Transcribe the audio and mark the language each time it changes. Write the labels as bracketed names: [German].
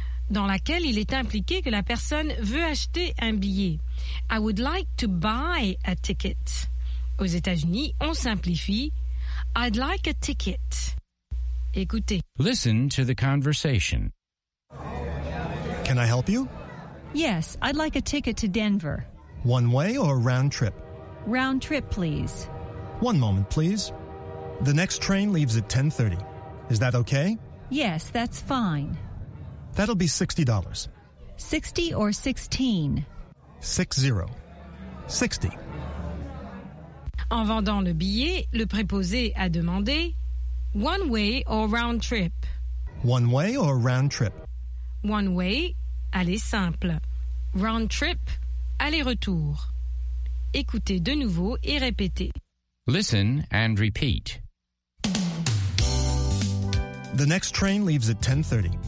[French] Dans laquelle il est impliqué que la personne veut acheter un billet. [English] « I would like to buy a ticket ». [French] Aux États-Unis, on simplifie « [English] I'd like a ticket. [French] Écoutez. [English] Listen to the conversation. Can I help you? Yes, I'd like a ticket to Denver. One way or round trip? Round trip, please. One moment, please. The next train leaves at 10:30. Is that okay? Yes, that's fine. That'll be $60. 60 or 16? 60. 60. [French] En vendant le billet, le préposé a demandé « [English] One way or round trip ?»« One way or round trip ?»« One way, [French] aller simple. [English] Round trip, [French] aller-retour. Écoutez de nouveau et répétez. [English] Listen and repeat. The next train leaves at 10:30.